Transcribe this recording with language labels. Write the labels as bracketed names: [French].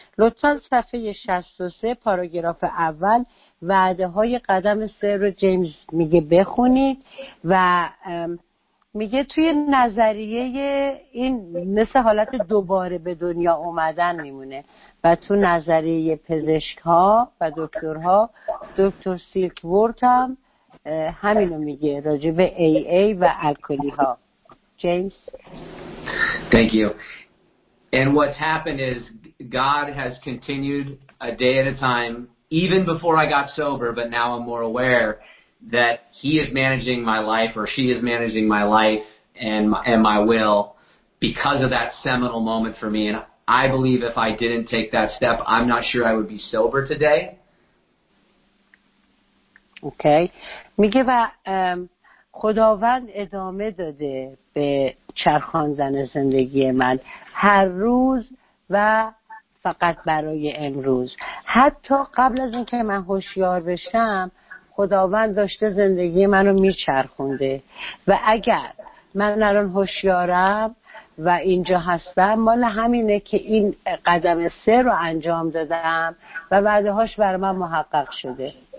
[Persian] لطفا صفحه 63 پاراگراف اول وعده های قدم سه رو جیمز میگه بخونید و میگه توی نظریه این مثل حالت دوباره به دنیا اومدن میمونه و تو نظریه پزشک ها و دکترها، دکتر سیلکورت هم همینو میگه راجع به ای ای و الکلی ها. جیمز. [English] Thank you. And what's happened is God has continued a day at a time, even before I got sober, but now I'm more aware that he is managing my life or she is managing my life and my will because of that seminal moment for me. And I believe if I didn't take that step, I'm not sure I would be sober today. Okay. [Persian] میگه و خداوند ادامه داده به چرخاندن زندگی من هر روز و فقط برای امروز. حتی قبل از اینکه من هوشیار بشم، خداوند داشته زندگی منو میچرخونده و اگر من الان هوشیارم و اینجا هستم، مال همینه که این قدم سه رو انجام دادم و وعده هاش بر من محقق شده.